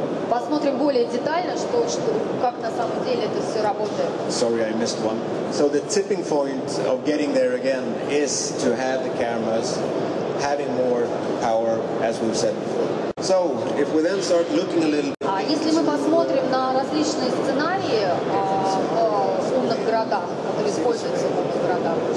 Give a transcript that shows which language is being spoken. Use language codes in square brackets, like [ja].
[ru] Посмотрим более детально, что как на самом деле это все работает. [en] Sorry, I missed one. So the tipping point of getting there again is to have the cameras having more power, as we've said before. So if we then start looking a little. [ru] Если мы посмотрим на различные сценарии в умных городах, которые используются в умных городах.